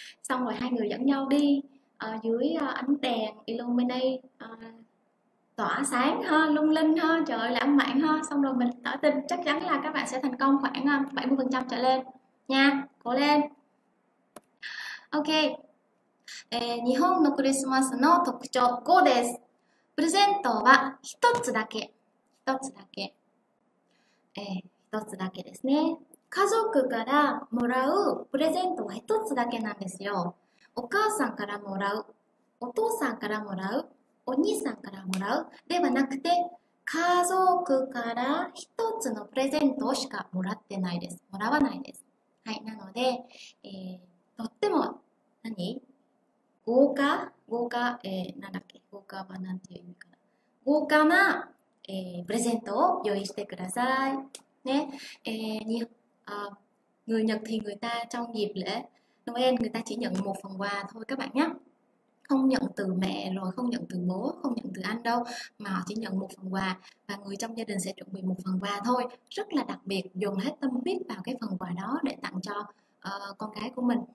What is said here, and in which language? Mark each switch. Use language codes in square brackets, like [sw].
[vi] Xong rồi hai người dẫn nhau đi dưới ánh đèn illuminate tỏa sáng ha, lung linh ha, trời ơi, lãng mạn ha. Xong rồi mình tỏ tình, chắc chắn là các bạn sẽ thành công khoảng 70% trở lên nha, cố lên. OK. [ja] 日本のクリスマスの特徴5です。プレゼントは一つだけ、一つだけ、一つだけですね。家族からもらうプレゼントは一つだけなんですよ。お母さんからもらう、お父さんからもらう、お兄さんからもらうではなくて、家族から一つのプレゼントしかもらってないです。もらわないです。はい。なので、とっても、何？豪華？豪華？なんだっけ？豪華はなんていう意味かな？豪華な、プレゼントを用意してください。ね。 [vi] Người Nhật thì người ta trong dịp lễ Noel người ta chỉ nhận một phần quà thôi các bạn nhé. Không nhận từ mẹ rồi, không nhận từ bố, không nhận từ anh đâu, mà họ chỉ nhận một phần quà và người trong gia đình sẽ chuẩn bị một phần quà thôi, rất là đặc biệt, dồn hết tâm huyết vào cái phần quà đó để tặng cho con gái của mình.